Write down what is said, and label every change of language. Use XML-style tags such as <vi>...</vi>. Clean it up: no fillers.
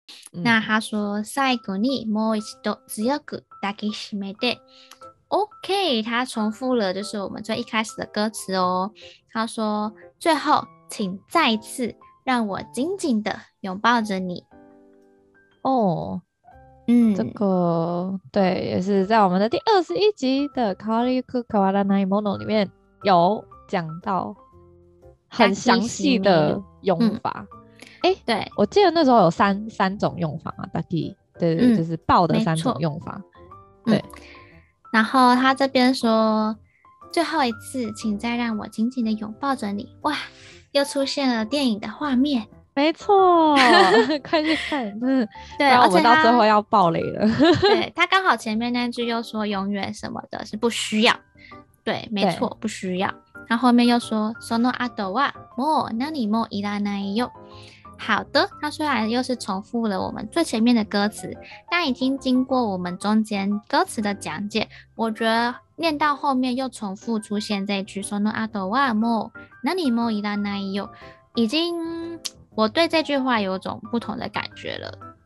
<zh>那他说</zh> <ja>最後にもう一度強く抱きしめて。</ja> <zh>OK， 他重复了就是我们最一开始的歌词哦。他说最后请再一次让我紧紧的拥抱着你。哦，这个对，也是在我们的第21集的変わりゆく変わらないもの里面有讲到很详细的用法。对，我记得那时候有三种用法嘛，大概。对，就是抱的三种用法。对，然后他这边说最后一次请再让我紧紧的拥抱着你。哇，又出现了电影的画面。没错。快去看。对，我们到最后要爆雷了。对，他刚好前面那句又说永远什么的是不需要。对，没错，不需要。他后面又说</zh> <ja>その後はもう何もいらないよ。</ja> <zh>好的，他虽然又是重复了我们最前面的歌词，但已经经过我们中间歌词的讲解，我觉得念到后面又重复出现这句</zh> <ja>“その後はもう何もいらないよ”，</ja> <zh>已经我对这句话有种不同的感觉了。</zh>